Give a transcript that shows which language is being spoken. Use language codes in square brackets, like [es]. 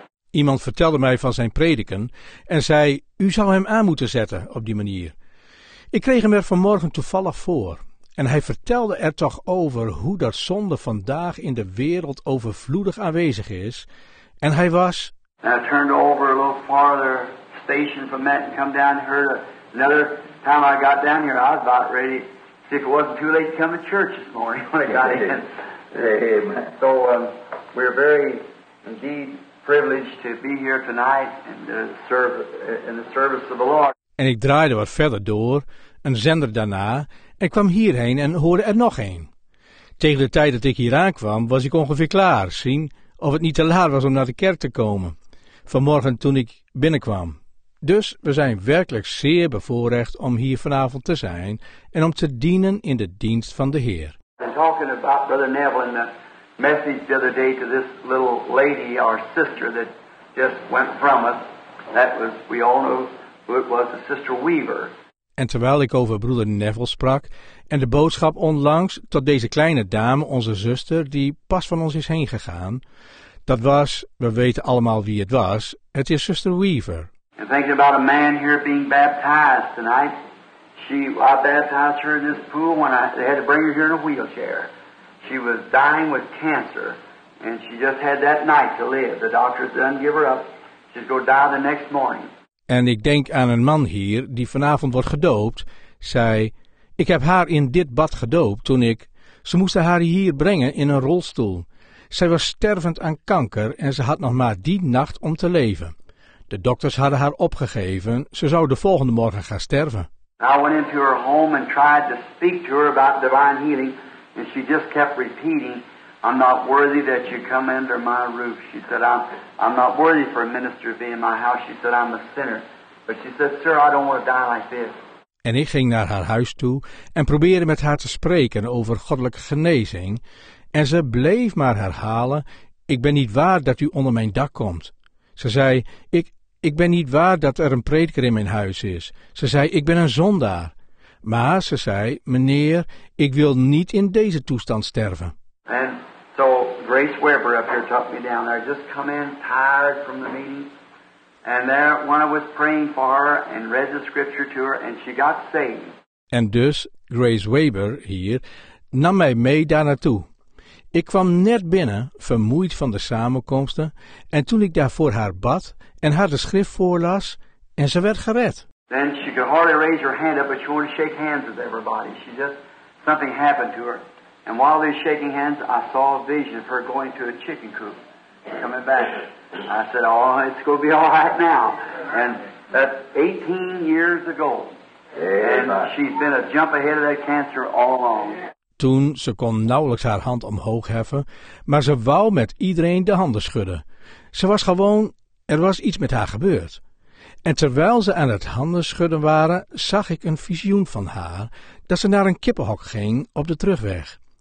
[nl] Iemand vertelde mij van zijn prediken en zei, u zou hem aan moeten zetten op die manier. Ik kreeg hem er vanmorgen toevallig voor. En hij vertelde er toch over hoe dat zonde vandaag in de wereld overvloedig aanwezig is. En hij was... [en] I turned over a little farther station from that and come down here. Another time I got down here, I was about ready. See if it wasn't too late to come to church this morning when I got in. Amen. So we're very indeed privileged to be here tonight and to serve in the service of the Lord. [nl] En ik draaide wat verder door, een zender daarna, en kwam hierheen en hoorde er nog een. Tegen de tijd dat ik hier aankwam, was ik ongeveer klaar, zien of het niet te laat was om naar de kerk te komen. Vanmorgen toen ik binnenkwam. Dus we zijn werkelijk zeer bevoorrecht om hier vanavond te zijn en om te dienen in de dienst van de Heer. [en] I was talking about Brother Neville in the message the other day to this little lady, our sister, that just went from us. That was, we all know who it was, the Sister Weaver. [nl] En terwijl ik over broeder Neville sprak en de boodschap onlangs tot deze kleine dame, onze zuster, die pas van ons is heen gegaan. Dat was, we weten allemaal wie het was, het is zuster Weaver. [en] And thinking about a man here being baptized tonight. I baptized her in this pool when they had to bring her here in a wheelchair. She was dying with cancer and she just had that night to live. The doctors didn't give her up. She's going to die the next morning. [nl] En ik denk aan een man hier die vanavond wordt gedoopt, zei, ik heb haar in dit bad gedoopt toen ik, ze moesten haar hier brengen in een rolstoel. Zij was stervend aan kanker en ze had nog maar die nacht om te leven. De dokters hadden haar opgegeven, ze zou de volgende morgen gaan sterven. [en] I went into her home and tried to speak to her about divine healing and she just kept repeating, I'm not worthy that you come under my roof. She said, I'm not worthy for a minister to be in my house. She said, I'm a sinner. But she said, sir, I don't want to die like this. [nl] En ik ging naar haar huis toe en probeerde met haar te spreken over goddelijke genezing. En ze bleef maar herhalen, ik ben niet waard dat u onder mijn dak komt. Ze zei, ik ben niet waard dat er een prediker in mijn huis is. Ze zei, ik ben een zondaar. Maar ze zei, meneer, ik wil niet in deze toestand sterven. [en] And so Grace Weber up here took me down there. I just come in tired from the meeting. And there when I was praying for her and read the scripture to her and she got saved. [nl] En dus Grace Weber hier nam mij mee daar naartoe. Ik kwam net binnen, vermoeid van de samenkomsten. En toen ik daar voor haar bad en haar de schrift voorlas en ze werd gered. [en] Then she could hardly raise her hand up but she wanted to shake hands with everybody. She just, something happened to her. And while they were shaking hands, I saw a vision of her going to a chicken coop, coming back. I said, oh, it's going to be all right now. And that's 18 years ago. And she's been a jump ahead of that cancer all along. [nl] Toen, ze kon nauwelijks haar hand omhoog heffen, maar ze wou met iedereen de handen schudden. Ze was gewoon, er was iets met haar gebeurd. En terwijl ze aan het handen schudden waren, zag ik een visioen van haar dat ze naar een kippenhok ging op de terugweg.